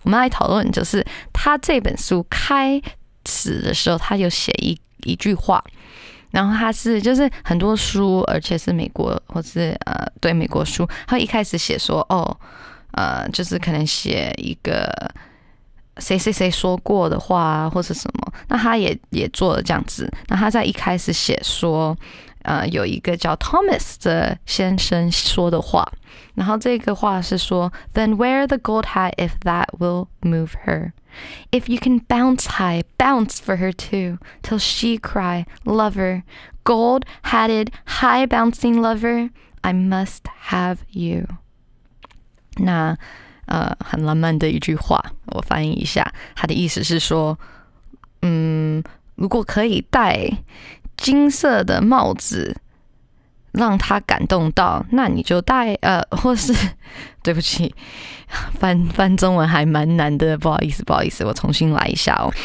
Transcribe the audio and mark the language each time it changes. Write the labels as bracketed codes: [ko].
[zh] 我们来讨论，就是他这本书开始的时候，他有写一句话，然后他是就是很多书，而且是美国或是对美国书，他一开始写说哦，就是可能写一个谁谁谁说过的话啊，或是什么。那他也做了这样子。那他在一开始写说，有一个叫 Thomas 的先生说的话，然后这个话是说 [en] Then wear the gold hat if that will move her. If you can bounce high, bounce for her too, till she cry, lover, gold-hatted, high-bouncing lover, I must have you. [zh] 那很浪漫的一句话，我翻译一下，他的意思是说，如果可以戴金色的帽子让他感动到，那你就戴或是，对不起，翻中文还蛮难的，不好意思，我重新来一下哦。